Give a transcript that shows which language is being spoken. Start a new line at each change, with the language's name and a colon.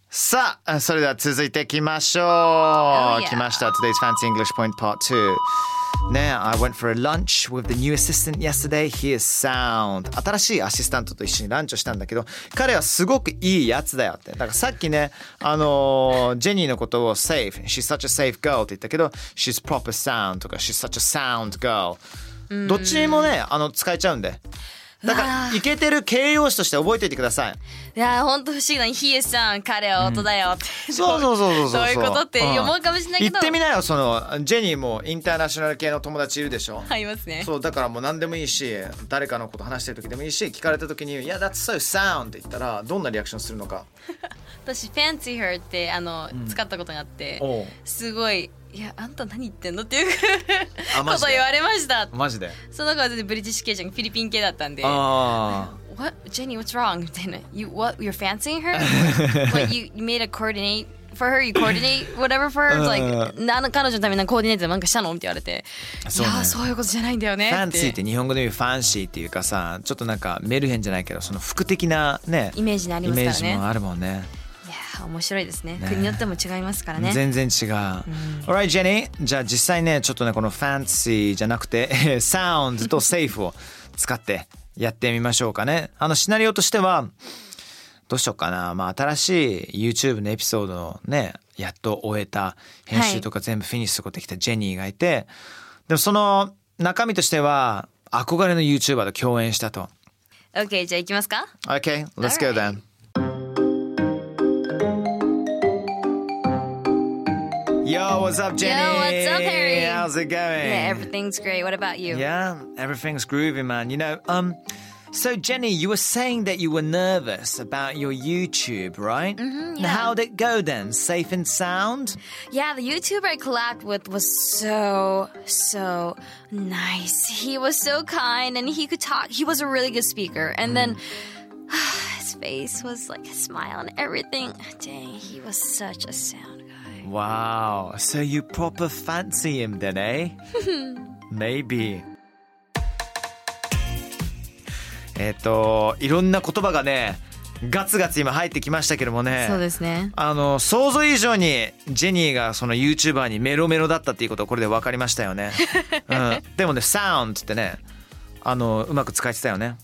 Japanese: さあ、それでは続いていきましょう。来ました。
English: Today's Fancy English Point Part 2. ね、I went for a lunch with the new assistant yesterday. He is sound.
Japanese: 新しいアシスタントと一緒にランチをしたんだけど、彼はすごくいいやつだよって。だからさっきね、ジェニーのことを safe.
English: She's such a safe girl
Japanese: って言ったけど、
English: She's proper sound とか She's such a sound girl。
Japanese: どっちにもね、使えちゃうんで。だからイケてる形容詞として覚えておいてください。いや本当不思議な、ヒエさん彼は音だよって、うん、そうそうそうそうそう、どういうことって思うかもしれないけど、うん、言ってみなよ。そのジェニーもインターナショナル系の友達いるでしょ。いますね。そうだからもう何でもいいし、誰かのこと話してる時でもいいし、聞かれた時にいや
English: That's so sound
Japanese: って言ったらどんなリアクションするのか。私 Fancy her って使ったことがあって、うん、すごい、いやあんた何言ってんのっていうこと言われました。マジで。その子は全然ブリティッシュ系じゃん、フィリピン系だったんで。
English: What Jenny, what's wrong? みたいな。You what? You're fancying her? Like you made a coordinate for her? You coordinate whatever for her? It's like
Japanese: 彼女のためにコーディネートなんかしたのって言われて。そうね、いやそういうことじゃないんだよね。ファンシーって日本語で言うファンシーっていうかさ、ちょっとなんかメルヘンじゃないけど、その服的なね。イメージにありますからね。イメージもあるもんね。面白いです ね、 国によっても違いますから ね全然違う。 Alright Jenny、 じゃあ実際ねちょっとねこの Fancy じゃなくて Sound と Safe を使ってやってみましょうかね。シナリオとしてはどうしようかな、まあ、新しい YouTube のエピソードをねやっと終えた、編集とか全部フィニッシュすることできたジェニーがいて、はい、でもその中身としては憧れの YouTuber と共演したと。 OK、 じゃあ行きますか。
English: OK、 Let's go thenYo, what's up, Jenny? Yo, what's up, Harry? How's it going? Yeah, everything's great. What about you? Yeah, everything's groovy, man. You know, so Jenny, you were saying that you were nervous about your YouTube, right? Mm-hmm, yeah. How'd it go then? Safe and sound? Yeah, the YouTuber I collabed with was so, so nice. He was so kind and he could talk. He was a really good speaker. And then... his face was like a smile and everything. Dang, he was such a sound guy. Wow, so you proper fancy him then, eh? Maybe.
Japanese: いろんな言葉がね、ガツガツ今入ってきましたけどもね。そうですね。想像以上にジェニーがその YouTuber にメロメロだったっていうことこれで分かりましたよね。うん、でもね、サウンドってね、うまく使えてたよね。